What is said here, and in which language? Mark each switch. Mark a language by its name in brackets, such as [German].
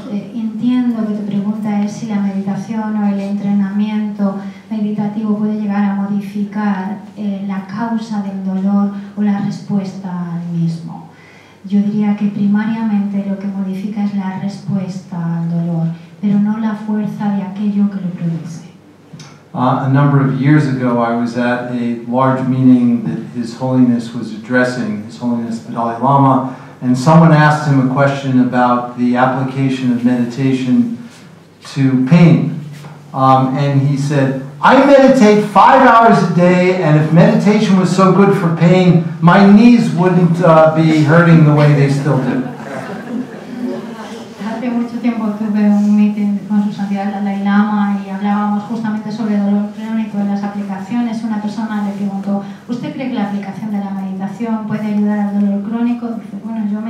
[Spanish] Entiendo que tu pregunta es si la meditación o el entrenamiento meditativo puede llegar a modificar la causa del dolor o la respuesta al mismo. Yo diría que primariamente lo que modifica es la respuesta al dolor, pero no la fuerza de aquello que lo produce. [English] A number of years ago, I was at a large meeting that His Holiness was addressing, His Holiness the Dalai Lama, and someone asked him a question about the application of meditation to pain. And he said, I meditate 5 hours a day, and if meditation was so good for pain, my knees wouldn't be hurting the way they still do. [Spanish] Tiempo tuve un meeting con su santidad el Dalai Lama y hablábamos justamente sobre dolor crónico en las aplicaciones. Una persona le preguntó, ¿usted cree que la aplicación de la meditación puede ayudar al dolor crónico? Dice, bueno,